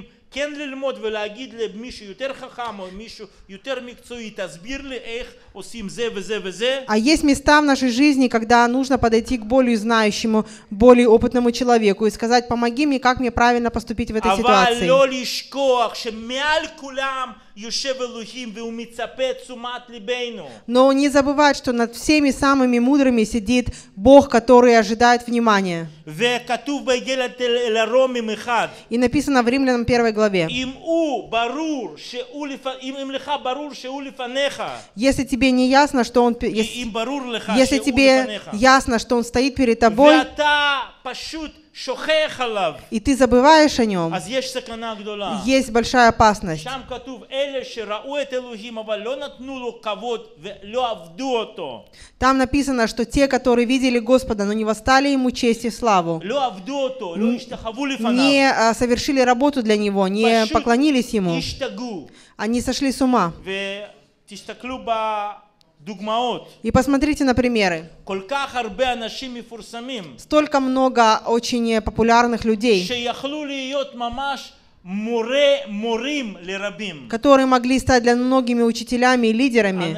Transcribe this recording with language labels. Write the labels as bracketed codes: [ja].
[he] כן ללמוד ולהגיד למישהו יותר חכם או מישהו יותר מקצועי, תסביר לי איך עושים זה וזה וזה. [ru] А есть места в нашей жизни, когда нужно подойти к более знающему, более опытному человеку и сказать: помоги мне, как мне правильно поступить в этой ситуации. [he] אבל לא לשכוח שמעל כולם יושב אלוהים והוא מצפה תשומת ליבנו. [ru] Но не забывать, что над всеми самыми мудрыми сидит Бог, который ожидает внимания. [he] וכתוב בגלת אל הרומים אחד. [ru] И написано в Римлянам 1 главе. [he] Им лиха барур шеу лифанеха. [ru] Если тебе не ясно, что он [he] им барур лиха, [ru] если тебе ясно, что он стоит перед тобой. [he] ואתה פשוט שוכח עליו. [ru] И ты забываешь о нем. [he] אז יש סכנה גדולה. [ru] Есть большая опасность. [he] שם כתוב אלה שראו את אלוהים אבל לא נתנו לו כבוד ולא עבדו אותו. [ru] Там написано, что те, которые видели Господа, но не восстали ему честь и славу. [he] לא עבדו אותו, לא השתחוו לפניו. [ru] Не совершили работу для него, не поклонились ему. [he] השתגעו. [ru] Они сошли с ума. [he] ותסתכלו בדוגמאות. [ru] И посмотрите на примеры. [he] כל כך הרבה אנשים מפורסמים. [ru] Столько много очень популярных людей. [he] שיכלו להיות ממש море морим лерабим. [ru] Которые могли стать для многими учителями и лидерами.